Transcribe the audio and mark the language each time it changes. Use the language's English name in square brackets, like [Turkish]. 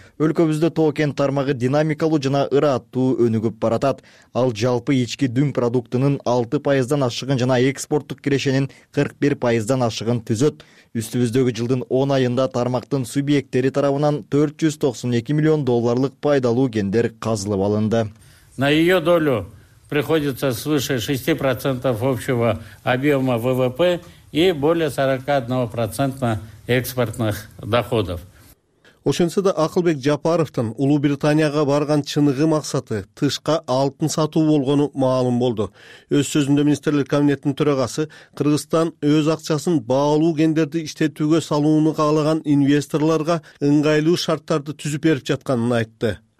[Kyrgyz] Өлкөбүздө тоо-кен тармагы динамикалуу жана ыраттуу өнүгүп баратат. Ал жалпы ички дүн продуктунун 6% ашыгын жана экспорттук кирешенин 41% ашыгын түзөт. Үстүбүздөгү жылдын 10 айында тармактын субъекттери тарабынан 492 миллион долларлык пайдалуу кендер казылып алынды. [Russian] На её долю приходится свыше 6% общего объема ВВП и более 41% экспортных доходов. [Kyrgyz] Ошентсе да Акылбек Жапаровтун Улуу Британияга барган чыныгы максаты тышка алтын сатуу болгону маалым болду. Өз сөзүндө министрлер кабинетинин төрагасы Кыргызстан өз акчасын баалуу кендерди иштетүүгө салууну каалаган инвесторлорго ыңгайлуу шарттарды түзүп берип жатканын айтты.